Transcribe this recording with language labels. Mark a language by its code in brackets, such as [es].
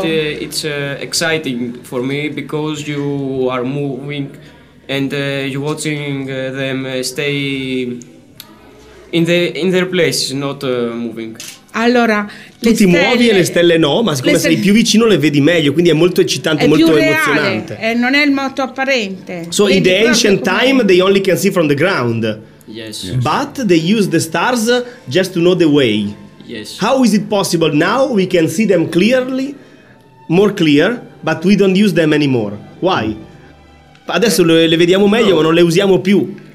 [en] And it's exciting for me because you are moving and you're watching them stay in their places, not moving. [it] Allora, tu ti muovi e le stelle no, ma siccome sei più vicino le vedi meglio, quindi è molto eccitante, è molto più reale, emozionante. E non è il moto apparente. [en] So in the ancient time they only can see from the ground. Yes. But they use the stars just to know the way. Yes. How is it possible now we can see them clearly, more clear, but we don't use them anymore? Why? [it] Adesso le vediamo meglio, no. Ma non le usiamo più.